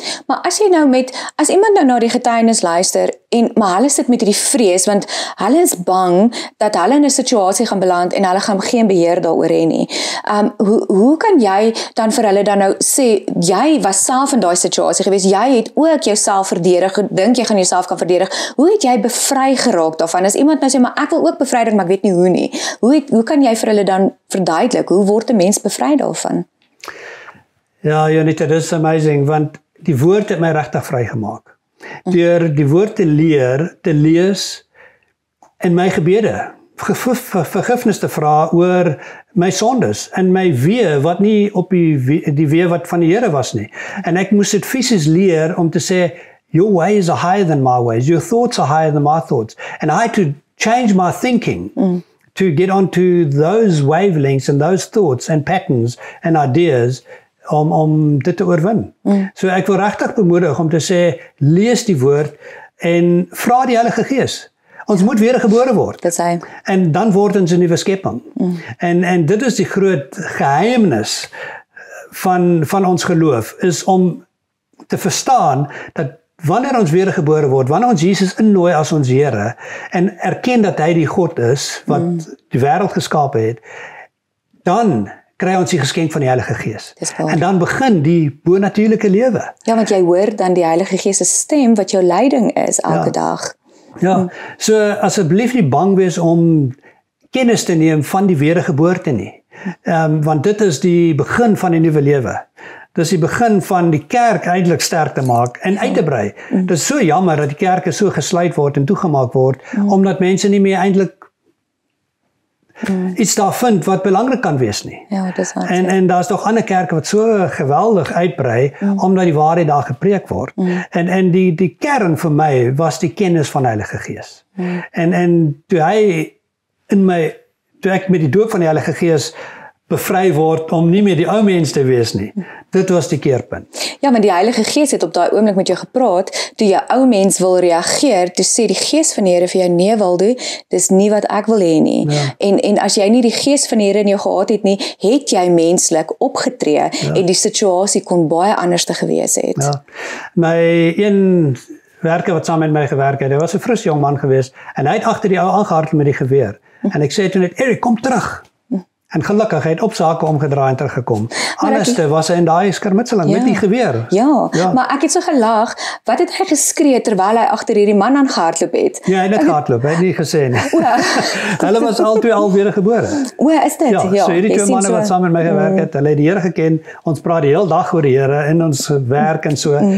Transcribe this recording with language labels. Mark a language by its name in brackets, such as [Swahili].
[Afrikaans] Maar as jy nou met, as iemand nou na die getuienis luister, en, maar hulle sit met die vrees, want hulle is bang dat hulle in 'n situasie gaan beland en hulle gaan geen beheer daaroor hê nie. Hoe kan jy dan vir hulle dan nou sê, jy was self in daai situasie gewees, jy het ook jouself verdedig, dink jy gaan jouself kan verdedig, hoe het jy bevry geraak daarvan? As iemand nou sê, maar ek wil ook bevry dit, maar ek weet nie hoe nie. Hoe kan jy vir hulle dan verduidelik, hoe word 'n mens bevry daarvan? Ja, Jonita, dit is amazing, want die woord het my regtig vrygemaak. Deur die woord te leer, te lees, en my gebede, vergifnis te vra oor my sondes, en my wee, wat nie op die wee wat van die Here was nie. En ek moes dit fisies leer om te sê, [English] your ways are higher than my ways, your thoughts are higher than my thoughts. And I had to change my thinking to get onto those wavelengths and those thoughts and patterns and ideas [Afrikaans] om dit te oorwin. So ek wil regtig bemoedig om te sê, lees die woord en vra die Heilige Gees. Ons moet weer gebore word. Dis hy. En dan word ons 'n nuwe skepping. En dit is die groot geheimnis van ons geloof, is om te verstaan dat wanneer ons weer gebore word, wanneer ons Jesus innooi as ons Here en erken dat hy die God is wat die wêreld geskape het, dan kry ons die geskenk van die Heilige Gees. En dan begin die bonatuurlike lewe. Ja, want jy hoor dan die Heilige Gees se stem wat jou leiding is elke dag. Ja, so asseblief nie bang wees om kennis te neem van die wedergeboorte nie. Want dit is die begin van die nuwe lewe. Dit is die begin van die kerk eindelijk sterk te maak en uit te brei. Dit is so jammer dat die kerke so gesluit word en toegemaak word, omdat mense nie meer eindelijk iets daar vind wat belangrik kan wees nie. Ja, dis waar. En daar is toch ander kerke wat so geweldig uitbrei, omdat die waarheid daar gepreek word. En die kern vir my was die kennis van Heilige Gees. En toe hy in my, toe ek met die doop van die Heilige Gees bevry word om nie meer die ou mens te wees nie. Dit was die keerpunt. Ja, maar die Heilige Gees het op daai oomblik met jou gepraat, toe jou ou mens wil reageer, toe sê die Gees van die Here vir jou, nee Waldo, dis nie wat ek wil hê nie. Ja. En as jy nie die Gees van die Here in jou gehad het nie, het jy menslik opgetree en die situasie kon baie anders te gewees het. Ja. My een werke wat saam met my gewerk het, hy was 'n fris jong man gewees, en hy het agter die ou aangehardel met die geweer. En ek sê toe net, Eric, kom terug. En gelukkig het op sake omgedraai en teruggekom. Anderste was hy in die skermutseling met die geweer. Ja, maar ek het so gelag, wat het hy geskree terwyl hy agter hierdie man aan gehardloop het? Ja, hy het gehardloop, hy het nie gesê nie. Hulle was al twee alweer gebore. O, is dit? Ja, so hierdie twee manne wat saam met my gewerk het, hulle het die Here geken, ons praat die heel dag oor die Here en ons werk en so.